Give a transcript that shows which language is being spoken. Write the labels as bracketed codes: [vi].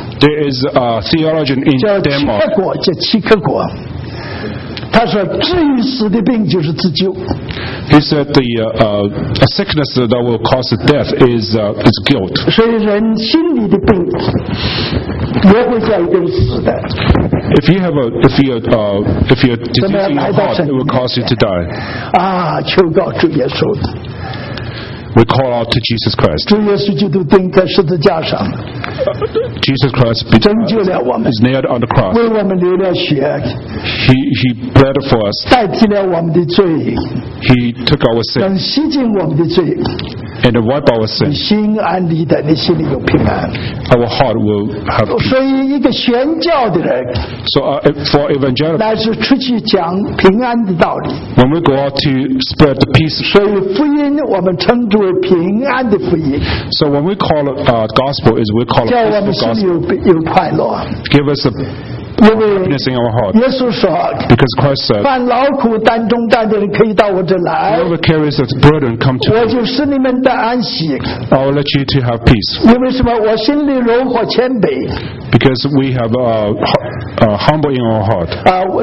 [en] There is a theologian in Denmark [zh] 叫齐克果他说至于死的病就是自救 [en] He said the a sickness that will cause death is guilt [zh] 所以人心里的病也会叫一个人死的 [en] If you have a disease in your heart it will cause you to die [zh] 啊求告主耶稣 [en] We call out to Jesus Christ. [zh] 主耶稣基督钉在十字架上。 [en] Jesus Christ is nailed on the cross. [zh] 为我们流了血。 [en] He bled for us. [zh] 代替了我们的罪。 [en] He took our sin. [zh] 能洗净我们的罪。 [en] And wipe our sin. [zh] 心安理得，你心里有平安。 [en] Our heart will have peace. [zh] 所以一个宣教的人。 [en] So for evangelists. [zh] 乃是出去讲平安的道理。 [en] When we go out to spread the peace. [zh] 所以福音我们称。平安的福音 [en] So when we call it gospel, is we call it peaceful gospel. [zh] 叫我们心里有快乐 [en] Give us a happiness in our heart. [zh] 耶稣说 [en] Because Christ said, [zh] 凡劳苦担重担的人可以到我这来 [en] Whoever carries its burden, come to me. [zh] 我就使你们得安息 [en] I will let you to have peace. [zh] 因为什么？我心里柔和谦卑 [en] Because we have humble in our heart.